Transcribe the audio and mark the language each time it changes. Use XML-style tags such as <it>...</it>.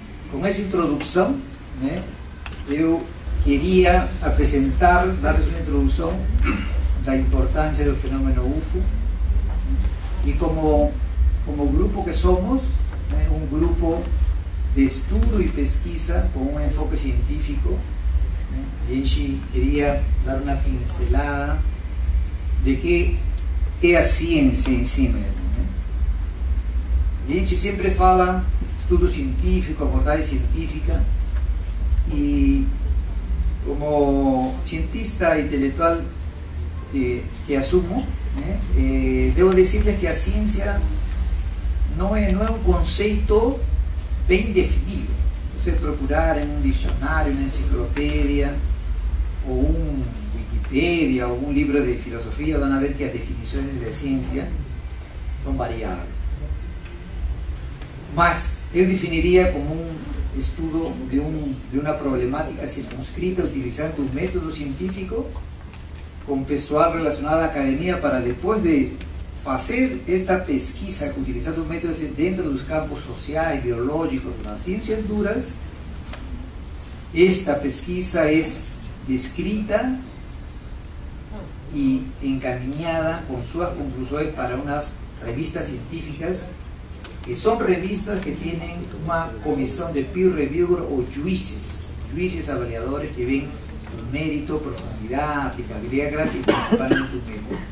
<es>Con esa introducción, ¿no?, yo quería presentar, darles una introducción de la importancia del fenómeno UFO, ¿no?, y como grupo que somos, ¿no?, un grupo de estudio y pesquisa con un enfoque científico, ¿no?, y yo quería dar una pincelada de qué es la ciencia en sí misma.</es> <pt>A gente sempre fala estudo científico, abordagem científica, e como cientista intelectual que assumo, né, devo dizer-lhes que a ciência não é um conceito bem definido. Você procurar em um dicionário, uma enciclopédia, ou um Wikipedia, ou um livro de filosofia, vão ver que as definições de ciência são variáveis. Mas eu definiria como um estudo de uma problemática circunscrita, utilizando um método científico com pessoal relacionado à academia, para depois de</pt> <es>hacer esta pesquisa utilizando métodos dentro de los campos sociales, biológicos, las ciencias duras. Esta pesquisa es descrita y encaminada con sus conclusiones para unas revistas científicas, que son revistas que tienen una comisión de peer reviewer o juicios avaliadores que ven mérito, profundidad, aplicabilidad gráfica, principalmente un mérito.</es>